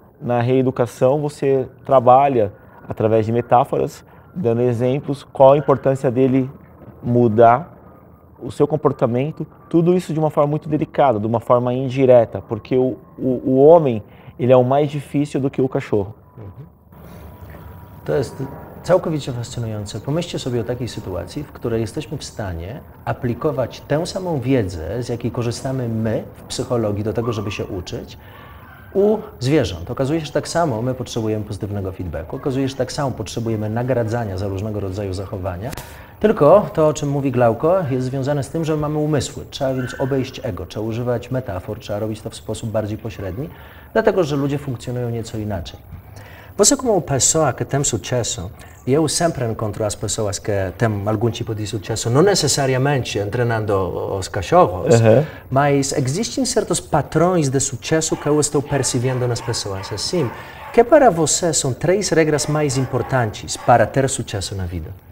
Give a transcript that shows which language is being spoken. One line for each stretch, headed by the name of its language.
Portuguese: Na reeducação, você trabalha através de metáforas, dando exemplos, qual a importância dele mudar o seu comportamento, tudo isso de uma forma muito delicada, de uma forma indireta, porque o homem, ele é o mais difícil do que o cachorro.
Polish: To jest całkowicie fascynujące. Pomyślcie sobie o takiej sytuacji, w której jesteśmy w stanie aplikować tę samą wiedzę, z jakiej korzystamy my w psychologii do tego, żeby się uczyć, u zwierząt. Okazuje się, że tak samo my potrzebujemy pozytywnego feedbacku, okazuje się, że tak samo potrzebujemy nagradzania za różnego rodzaju zachowania. Tylko to, o czym mówi Glauko, jest związane z tym, że mamy umysły. Trzeba więc obejść ego, trzeba używać metafor, trzeba robić to w sposób bardziej pośredni, dlatego że ludzie funkcjonują nieco inaczej.
Portuguese: Você, como pessoa que tem sucesso, e eu sempre encontro as pessoas que têm algum tipo de sucesso, não necessariamente treinando os cachorros, mas existem certos padrões de sucesso que eu estou percebendo nas pessoas. Assim, que para você são três regras mais importantes para ter sucesso na vida?